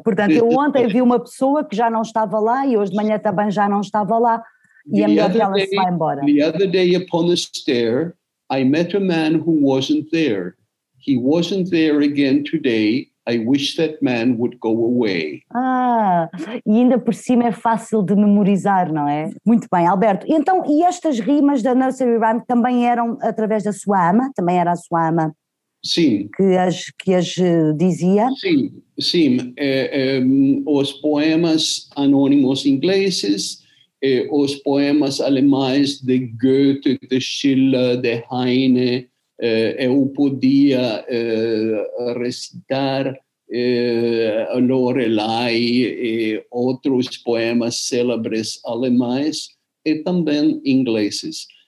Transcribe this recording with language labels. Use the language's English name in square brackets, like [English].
[Portuguese] Portanto, eu ontem vi uma pessoa que já não estava lá e hoje de manhã também já não estava lá. E é melhor que ela se vá embora. [English] The other day upon the stair, I met a man who wasn't there. He wasn't there again today. I wish that man would go away. [Portuguese] Ah, e ainda por cima é fácil de memorizar, não é? Muito bem, Alberto. Então, e estas rimas da Nursery Rhyme também eram através da sua ama? Também era a sua ama? Sim. Que as dizia? Sim, sim. Os poemas anônimos ingleses, os poemas alemães de Goethe, de Schiller, de Heine… Eu podia recitar Lorelei e outros poemas célebres alemães e também ingleses.